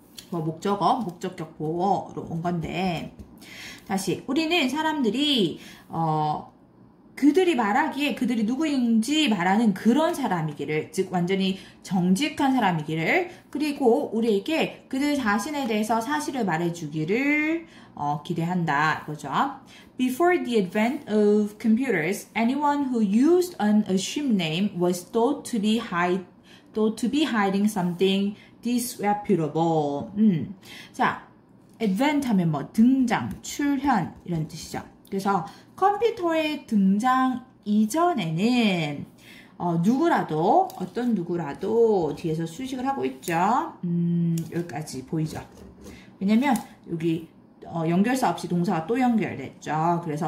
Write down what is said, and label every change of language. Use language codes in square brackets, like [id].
[ko] 뭐 목적어, 목적격 보어로 온 건데 다시 우리는 사람들이 그들이 말하기에 그들이 누구인지 말하는 그런 사람이기를, 즉 완전히 정직한 사람이기를, 그리고 우리에게 그들 자신에 대해서 사실을 말해주기를 기대한다 이거죠. [en] Before the advent of computers, anyone who used an assumed name was thought to be hiding something disreputable. [ko] 자, advent 하면 뭐 등장, 출현 이런 뜻이죠. 그래서 컴퓨터의 등장 이전에는 누구라도, 어떤 누구라도 뒤에서 수식을 하고 있죠. 여기까지 보이죠. 왜냐면 여기 연결사 없이 동사가 또 연결됐죠.